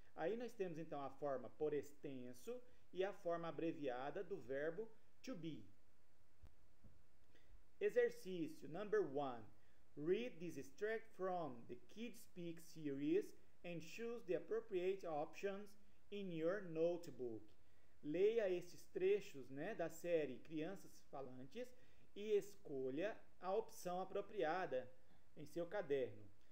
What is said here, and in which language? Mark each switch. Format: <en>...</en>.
<pt>Aí nós temos então a forma por extenso e a forma abreviada do verbo to be. Exercício number 1.</pt> <en>Read this extract from the KidSpeak series and choose the appropriate options in your notebook.</en> <pt>Leia esses trechos, né, da série Crianças Falantes e escolha a opção apropriada em seu caderno.</pt>